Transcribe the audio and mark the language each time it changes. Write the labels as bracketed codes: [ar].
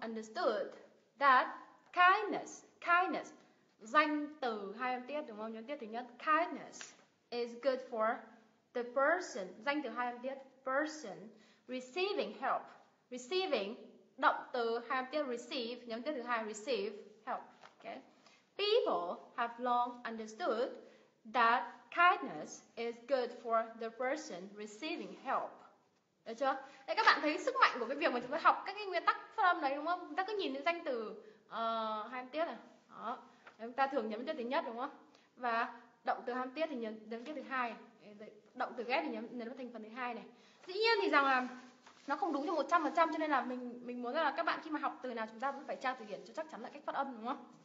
[en] Understood that kindness, kindness, [vi] danh từ hai âm tiết đúng không? Nhấn tiết thứ nhất, [en] kindness is good for the person, [vi] danh từ hai âm tiết, [en] person receiving help, receiving, [vi] động từ hai âm tiết receive, nhấn tiết thứ hai [en] receive help. Okay. People have long understood that kindness is good for the person receiving help. [vi] Được chưa? Đấy, các bạn thấy sức mạnh của cái việc mà chúng ta học các cái nguyên tắc phát âm đấy đúng không? Chúng ta cứ nhìn những danh từ hai âm tiết này. Đó. Chúng ta thường nhấn tiết thứ nhất đúng không? Và động từ hai âm tiết thì nhấn tiết thứ hai. Động từ ghép thì nhấn vào thành phần thứ hai này. Dĩ nhiên thì rằng là nó không đúng cho 100%, cho nên là mình muốn là các bạn khi mà học từ nào chúng ta cũng phải tra từ điển cho chắc chắn là cách phát âm đúng không?